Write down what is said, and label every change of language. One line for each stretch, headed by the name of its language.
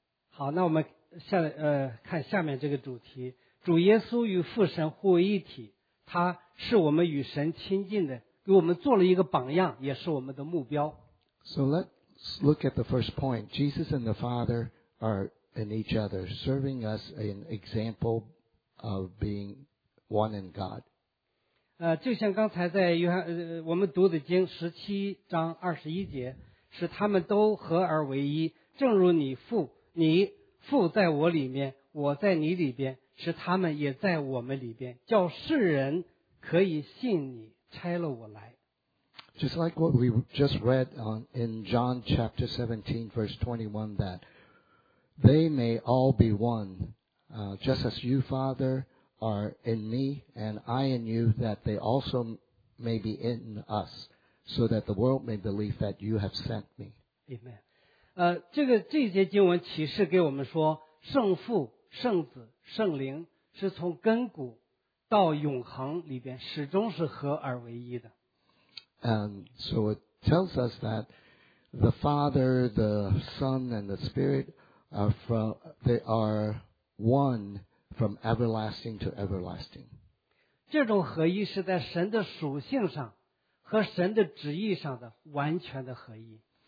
Chinese: 好，那我们看下面这个主题。主耶稣与父神互为一体，他是我们与神亲近的，给我们做了一个榜样，也是我们的目标。
English: So let's look at the first point. Jesus and the Father are in each other, serving us an example of being one in God.
Chinese: 就像刚才在约翰我们读的经十七章二十一节，是他们都合而为一，正如你父在我里面，我在你里边。使他们也在我们里边，叫世人可以信你差了我来。
English: Just like what we just read in John chapter 17, verse 21, that they may all be one, just as you, Father, are in me, and I in you, that they also may be in us, so that the world may believe that you have sent me. Amen.
Chinese: 这节经文启示给我们说，圣父、圣子、圣灵是从根骨到永恒里边始终是合而为一的。
English: And so it tells us that the Father, the Son, and the Spirit are one from everlasting to everlasting.
Chinese: 这种合一是在神的属性上和神的旨意上的完全的合一。